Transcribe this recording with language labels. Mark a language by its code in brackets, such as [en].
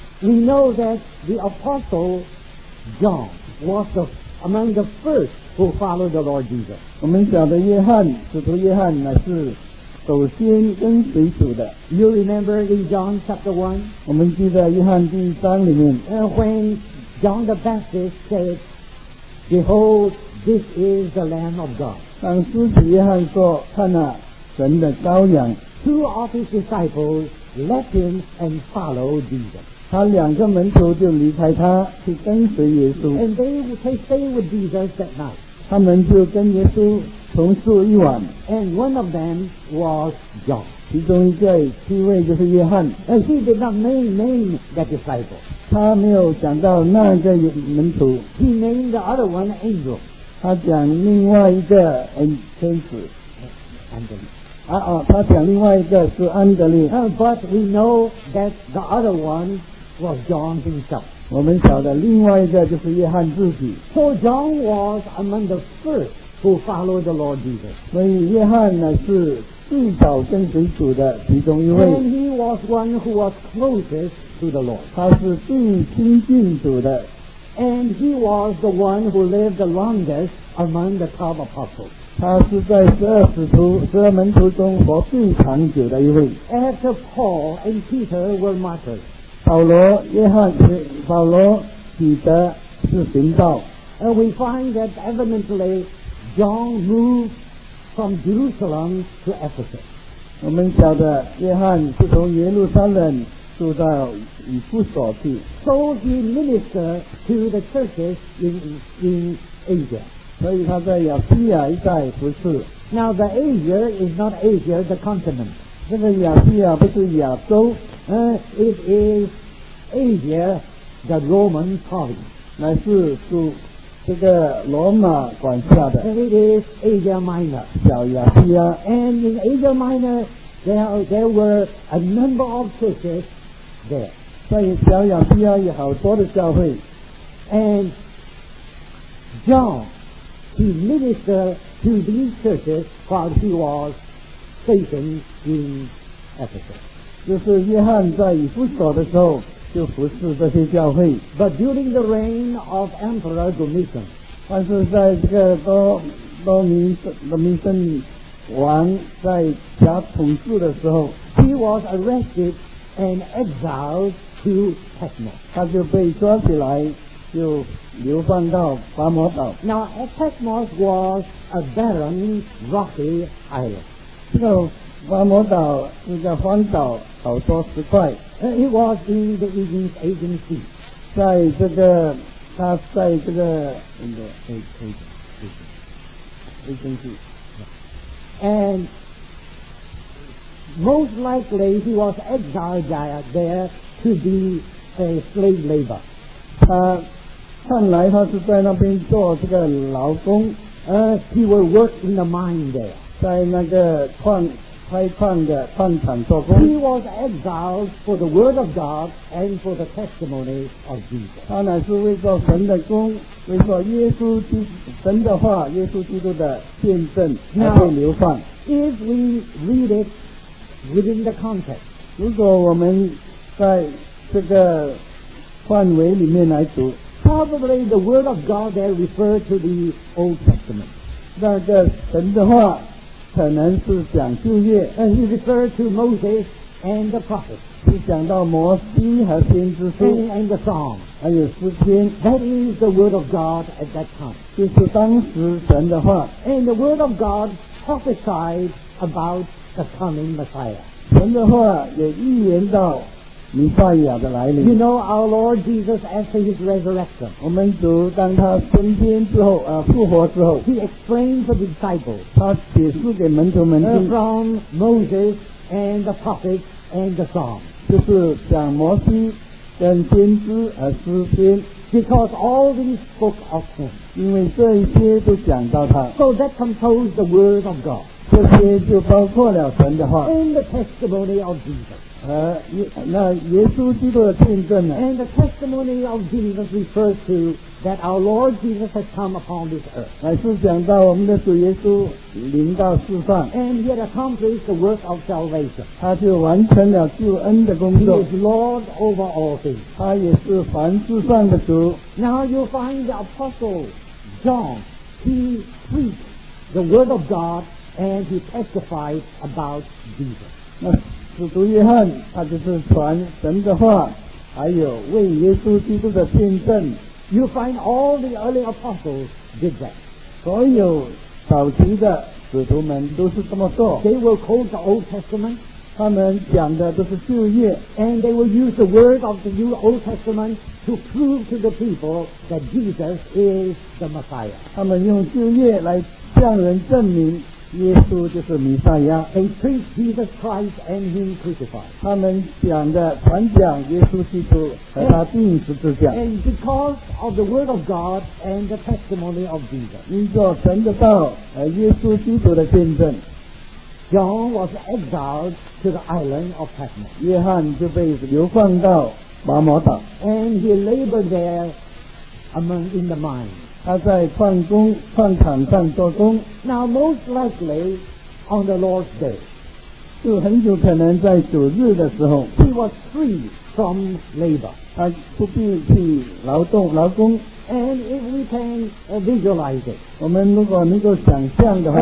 [en] We know that the Apostle John was among the first who followed the Lord Jesus. [zh] 我们晓得约翰，使徒约翰乃是首先跟随主的。 [en] You remember in John chapter 1? [zh] 我们记得约翰第一章里面。 [en] When John the Baptist said, Behold, this is the Lamb of God. [zh] 当使徒约翰说，看啊，神的羔羊。 [en] Two of his disciples left him and followed Jesus. [zh] 他两个门徒就离开他，去跟随耶稣。 [en] And they would stay with Jesus that night. [zh] 他们就跟耶稣同宿一晚。 [en] And one of them was John. [zh] 其中一位就是约翰。 [en] And he did not name that disciple. [zh] 他没有讲到那个门徒 [en] He named the other one Angel [zh] 他讲另外一个天使安德烈他讲另外一个是安德烈 [en] But we know that the other one was John himself [zh] 我们晓得另外一个就是约翰自己 [en] So John was among the first who followed the Lord Jesus [zh] 所以约翰呢是最早跟随主的其中一位。 [en] And he was one who was closest to the Lord. [zh] 他是最亲近主的。 [en] And he was the one who lived the longest among the 12 apostles. [zh] 他是在十二门徒中活最长久的一位。 [en] After Paul and Peter were martyred. [zh] 保罗、彼得是行道。 [en] And we find that evidently John moved from Jerusalem to Ephesus. [zh] 我们晓得约翰是从耶路撒冷住到以弗所去。 [en] So he ministered to the churches in Asia. [zh] 所以他在亚细亚一带服事。 [en] Now the Asia is not Asia, the continent. [zh] 这个亚细亚不是亚洲。 [en] It is Asia, the Roman province. [zh] 乃是属这个罗马管辖的。 [en] It is Asia Minor. [zh] 小亚细亚。 [en] And in Asia Minor, there were a number of churches there. [zh] 在小亚细亚有好多的教会。 [en] And John, he ministered to these churches while he was stationed in Ephesus. [zh] 就是约翰在以弗所的时候就服侍这些教会。 [en] But during the reign of Emperor Domitian, [zh] 但是在这个多米森王在家统治的时候 [en] ，he was arrested and exiled to Patmos. [zh] 他就被抓起来，就流放到巴摩岛。 [en] Now Patmos was a barren, rocky island. [zh] 这个巴摩岛是个荒岛，好多石块。 [en] It was in the Aegean Sea. [zh] 在这个，它在这个 [en] in the Aegean Sea. And most likely he was exiled there to be a slave labor. [zh] 他看来他是在那边做这个劳工。 [en] He would work in the mine there. [zh] 在那个矿场做工。 [en] He was exiled for the word of God and for the testimony of Jesus. [zh] 他乃是为做神的工，为做耶稣基督神的话，耶稣基督的见证才被流放。 [en] Now, if we read it within the context, [zh] 如果我们在这个范围里面来读 [en] ，probably the word of God there refers to the Old Testament. [zh] 那个神的话。可能是讲旧约 [en] and he referred to Moses and the prophets. [zh] 是讲到摩西和先知书 [en] and the Psalms. [zh] 还有诗篇 [en] That is the word of God at that time. [zh] 就是当时神的话 [en] And the word of God prophesied about the coming Messiah. [zh] 神的话也预言到弥赛亚的来临 [en] You know our Lord Jesus after his resurrection [zh] 我们读当他升天之后复活之后 [en] He explained to the disciples [zh] 他解释给门徒们听 [en] From Moses and the prophets and the Psalms [zh] 就是讲摩西跟先知和诗篇 [en] Because all these spoke of him [zh] 因为这一些都讲到他 [en] So that composed the word of God [zh] 这些就包括了神的话 [en] And the testimony of Jesus [zh] 那耶稣基督的见证呢 [en] And the testimony of Jesus refers to that our Lord Jesus has come upon this earth. [zh] 乃是讲到我们的主耶稣临到世上 [en] And he had accomplished the work of salvation. [zh] 他就完成了救恩的工作 [en] He is Lord over all things. [zh] 他也是凡世上的主 [en] Now you find the apostle John, he preached the word of God and he testified about Jesus. [zh] 那使徒约翰他就是传神的话还有为耶稣基督的见证 [en] You find all the early apostles did that [zh] 所有早期的使徒们都是这么做 [en] They will quote the Old Testament [zh] 他们讲的都是旧约 [en] And they will use the word of the new Old Testament to prove to the people that Jesus is the Messiah [zh] 他们用旧约来向人证明耶稣就是弥赛亚 [en] They preach Jesus Christ and him crucified [zh] 他们讲的传讲耶稣基督和他钉十字架 [en] And because of the word of God and the testimony of Jesus [zh] 因着神的道和耶稣基督的见证 [en] John was exiled to the island of Patmos [zh] 约翰就被流放到拔摩岛 [en] And he labored there among in the mine [zh] 他在矿场上做工 [en] Now most likely on the Lord's day [zh] 就很有可能在主日的时候 [en] he was free from labor， [zh] 他不必去劳动劳工。 [en] And if we can visualize it， [zh] 我们如果能够想象的话，